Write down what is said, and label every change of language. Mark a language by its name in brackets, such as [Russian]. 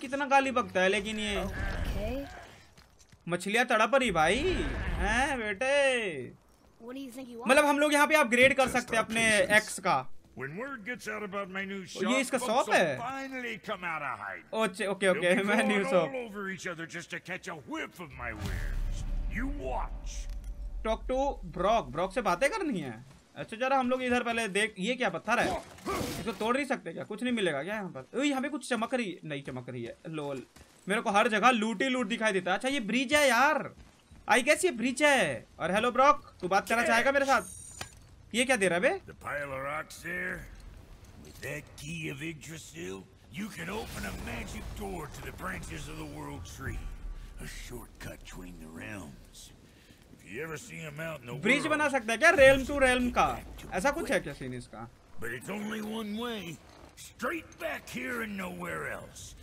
[Hindi] कितना गाली बकता है लेकिन ये मछलियाँ तड़प रही भाई हैं बेटे। मतलब हम लोग यहाँ पे अपग्रेड कर सकते हैं अपने एक्स का। [English] When word gets out about my new shop, [Hindi] ये इसका शॉप है? [English] Finally come out of hide. Okay. My new shop. All over each other just to catch a whiff of my wares. You watch. Talk to Brock. [Hindi] Brock से बातें करनी है। अच्छा जरा हम लोग इधर पहले देख, ये क्या पत्थर है? इसको तोड़ नहीं सकते क्या? कुछ नहीं मिलेगा क्या यहाँ पर? यहाँ पे कुछ चमक रही, नहीं चमक रही है। लोल मेरे को हर जगह लूट ही लूट दिखाई देता है। अच्छा ये ब्रिज है यार, [English] I guess [Hindi] ये ब्रिज है। और हेलो ब्रॉक, तू बात करना चाहेगा मेरे साथ? ये क्या दे रहा बे? [English] The pile of rocks there, with that key of Yggdrasil, you can open a magic door to the branches of the world tree, a shortcut between the realms. If you ever see a mountain, [Hindi] bridge बना सकता है क्या realm to realm का? ऐसा कुछ है क्या scene इसका? [English] But it's only one way, straight back here and nowhere else.